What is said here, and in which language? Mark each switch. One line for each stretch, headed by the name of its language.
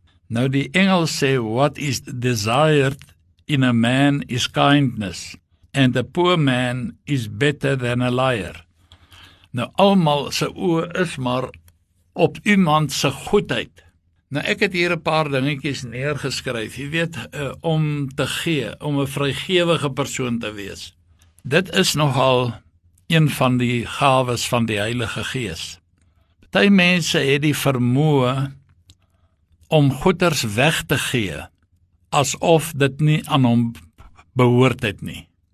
Afrikaans: Nou die Engels sê,
English: what is desired in a man is kindness, and a poor man is better than a liar.
Afrikaans: Nou almal se oë is maar op iemand se goedheid. Nou ek het hier 'n paar dingetjies neergeskryf, jy weet, om te gee, om 'n vrygewige persoon te wees. Dit is nogal een van die gawes van die Heilige Gees. Party mense het die vermoë om goeders weg te gee, asof dit nie aan hom behoort het nie.